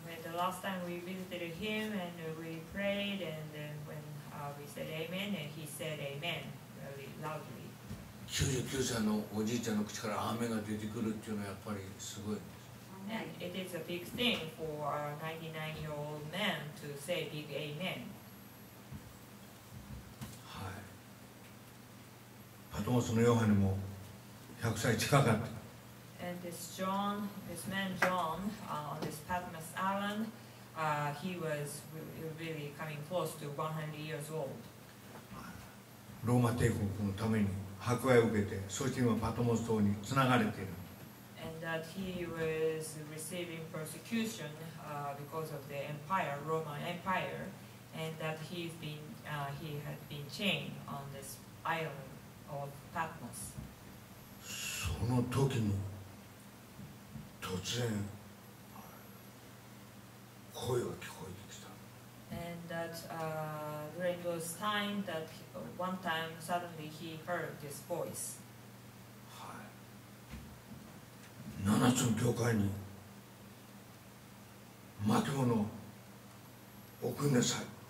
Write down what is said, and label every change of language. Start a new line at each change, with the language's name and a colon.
English: Last time we visited him and we prayed and then when we said amen and he said amen really loudly.
Japanese: 99歳のおじいちゃんの口からアーメンが出てくるっていうのはやっぱりすごいです。
English: And it is a big thing for a 99-year-old man to say big amen.
Japanese: はい。パトモスのヨハネも100歳近かった。
English: And this John, this man John, on this Patmos Island, he was really coming close to 100 years old.
Japanese: ローマ帝国のために迫害を受けて、そして今パトモス島に繋がれている。
English: And that he was receiving persecution because of the empire, Roman Empire, and that he's been, he had been chained on this island of Patmos.
Japanese: その時も突然声が聞こえてきた。
English: And that during those time that one time suddenly he heard this voice.
Japanese: はい。七つの教会に巻物を送りなさい。